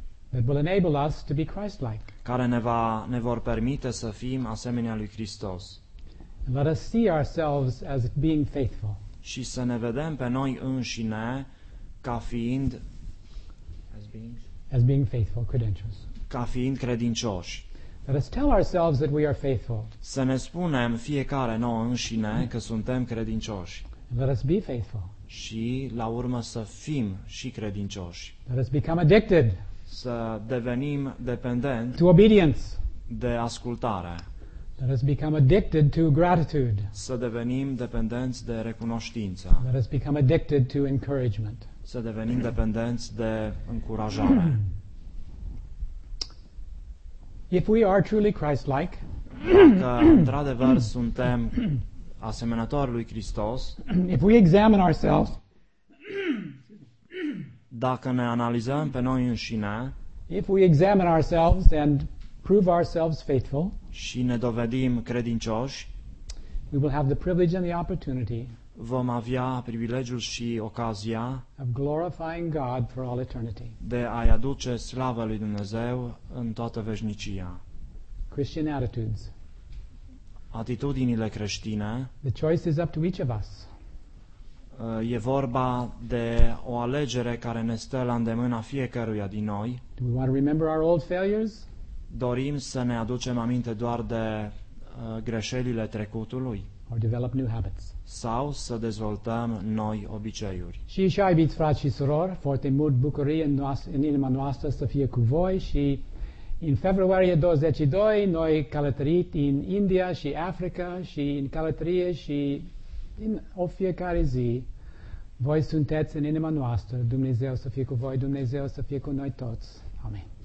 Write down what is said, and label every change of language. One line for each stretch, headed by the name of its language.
English: That will enable us to be Christ-like.
Romanian: Care ne vor permite să fim asemenea lui Hristos.
English: Let us see ourselves as being faithful.
Romanian: Și să ne vedem pe noi înșine ca fiind
English: as being faithful credentials.
Romanian: Ca fiind credincioși.
English: Let us tell ourselves that we are faithful.
Romanian: Să ne spunem fiecare nouă înșine că suntem credincioși.
English: Let us be faithful.
Romanian: Și la urmă să fim și credincioși.
English: Let us become addicted.
Romanian: Să devenim dependent
English: to obedience.
Romanian: De ascultare.
English: Let us become addicted to gratitude.
Romanian: Să devenim dependenți de recunoștință.
English: Let us become addicted to encouragement.
Romanian: Să devenim dependenți de încurajare.
English: If we are truly Christ-like,
Romanian: că într-adevăr suntem asemănători lui Hristos,
English: if we examine ourselves,
Romanian: dacă ne analizăm pe noi înșine,
English: if we examine ourselves and prove ourselves faithful,
Romanian: și ne dovedim credincioși,
English: we will have the privilege and the opportunity,
Romanian: vom avea privilegiul și ocazia,
English: of glorifying God for all eternity,
Romanian: de a-i aduce slavă lui Dumnezeu în toată veșnicia.
English: Christian attitudes,
Romanian: atitudinile creștine,
English: the choice is up to each of us.
Romanian: E vorba de o alegere care ne stă la îndemâna fiecăruia din noi.
English: Do we want to remember our old failures?
Romanian: dorim să ne aducem aminte doar de greșelile trecutului.
English: Or develop new habits.
Romanian: Sau să dezvoltăm noi obiceiuri. Și așa, iubiți frați și surori, foarte mult bucurie în inima noastră să fie cu voi și în februarie 22 noi călătorit în India și Africa și în călătorie și în o fiecare zi voi sunteți în inima noastră. Dumnezeu să fie cu voi, Dumnezeu să fie cu noi toți. Amin.